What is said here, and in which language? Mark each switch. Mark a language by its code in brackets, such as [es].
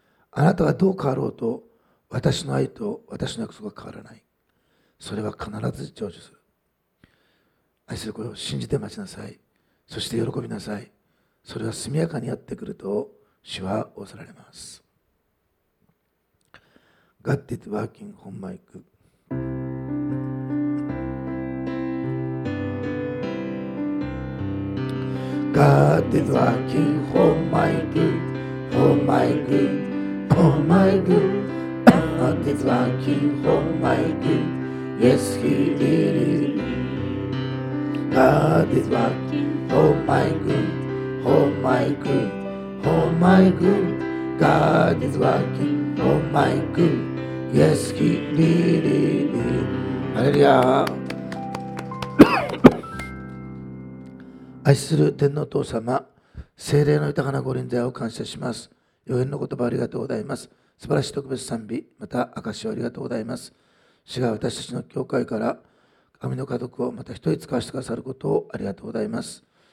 [ja] あなたがどう変わろうと、私の愛と私の約束は変わらない。それは必ず成就する。愛する子を信じて待ちなさい。そして喜びなさい。それは速やかにやってくると主は仰せられます。 [en] God is working on my good. God is working for my good, for my good, for my good. God is working for my good, yes He did it. God is working for my good, for my good, for my good. God is working for my good, yes He did it. Hallelujah. [ja] 愛する天のお父様、聖霊の豊かなご臨在を感謝します。予言の言葉ありがとうございます。素晴らしい特別賛美、また証をありがとうございます。主が私たちの教会から神の家族をまた一人使わせてくださることをありがとうございます。